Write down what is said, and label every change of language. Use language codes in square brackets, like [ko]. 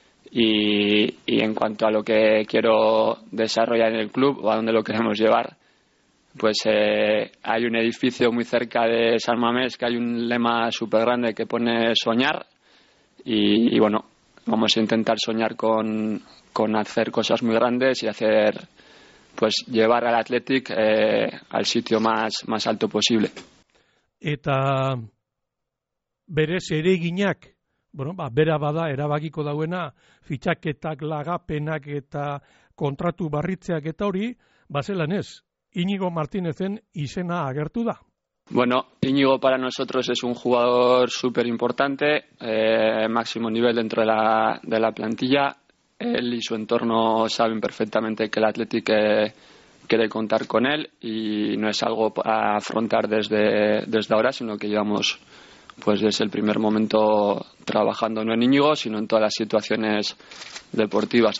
[es] Y en cuanto a lo que quiero desarrollar en el club o a dónde lo queremos llevar, pues hay un edificio muy cerca de San Mamés que hay un lema súper grande que pone soñar y bueno, vamos a intentar soñar con hacer cosas muy grandes y hacer, pues llevar al Athletic al sitio más alto posible. [eu] Eta berez ere eginak. Bueno, ba, bera bada erabakiko dauena fitxaketak, lagapenak eta kontratu barritzeak eta hori, bazelan ez, Iñigo Martínezen izena agertu da. [es] Bueno, Íñigo para nosotros es un jugador súper importante, máximo nivel dentro de la plantilla. Él y su entorno saben perfectamente que el Athletic quiere contar con él y no es algo a afrontar desde ahora, sino que llevamos pues desde el primer momento trabajando no en Íñigo, sino en todas las situaciones deportivas.